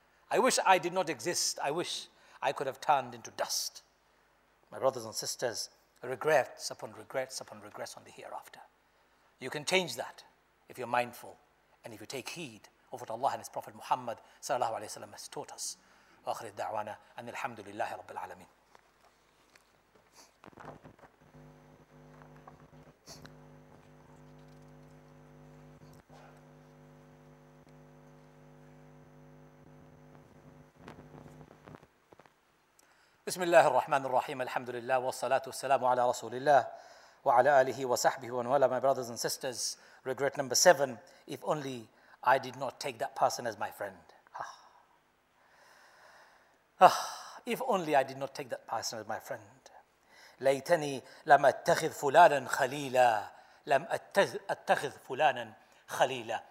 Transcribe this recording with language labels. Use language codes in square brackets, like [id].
[en] I wish I did not exist. I wish I could have turned into dust. My brothers and sisters, regrets upon regrets upon regrets on the hereafter. You can change that if you're mindful and if you take heed of what Allah and His Prophet Muhammad sallallahu alayhi wa sallam has taught us. [ar] وآخر الدعوانا أن الحمد لله رب العالمين. بسم الله الرحمن الرحيم الحمد لله والصلاة والسلام على رسول الله وعلى آله وصحبه وانوالا. [en] My brothers and sisters, regret number 7, if only I did not take that person as my friend. If only I did not take that person as my friend. [ar] لَيْتَنِي لَمْ أَتَّخِذْ فُلَانًا خَلِيلًا لَمْ أَتَّخِذْ فُلَانًا خَلِيلًا.